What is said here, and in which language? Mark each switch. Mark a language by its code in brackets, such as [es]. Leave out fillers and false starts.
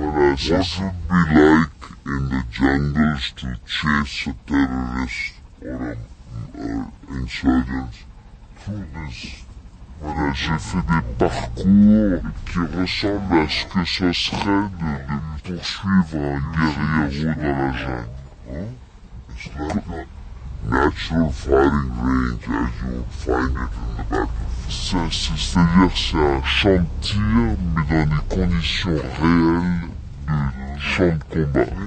[en] what would be like in the jungles to chase a terrorist or an insurgent through this. [fr] Voilà, j'ai fait des parcours qui ressemblent à ce que ce serait de poursuivre un guerrier ou dans la jungle. [en] It's like a natural fighting range as you find it in the battlefield. [fr] C'est-à-dire c'est un champ de tir, mais dans des conditions réelles de champ de combat.